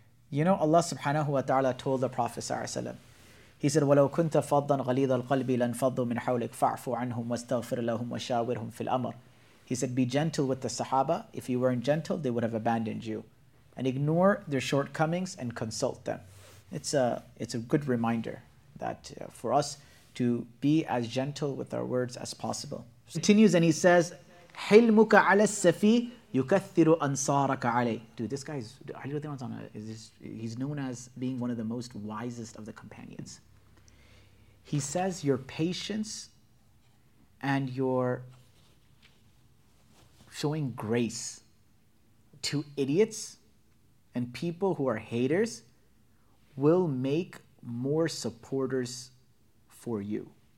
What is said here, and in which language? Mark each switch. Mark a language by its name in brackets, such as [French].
[English] You know, Allah subhanahu wa ta'ala told the Prophet sallallahu alayhi wa sallam, he said, [Arabic] وَلَوْ كُنْتَ فَضًّا غَلِيظَ الْقَلْبِ لَنْفَضُّ مِنْ حَوْلِكَ فَعْفُ عَنْهُمْ وَاسْتَغْفِرْ لَهُمْ وَشَاوِرْهُمْ فِي الْأَمْرِ. [English] He said, be gentle with the Sahaba. If you weren't gentle, they would have abandoned you. And ignore their shortcomings and consult them. It's a good reminder. that for us to be as gentle with our words as possible. He continues and he says, [Arabic] حِلْمُكَ عَلَى السَّفِي يُكَثِّرُ أَنصَارَكَ عَلَيْهِ. [English] Dude, this guy's, Ali radiallahu anhu, he's known as being one of the most wisest of the companions. He says, your patience and your showing grace to idiots and people who are haters will make more supporters for you.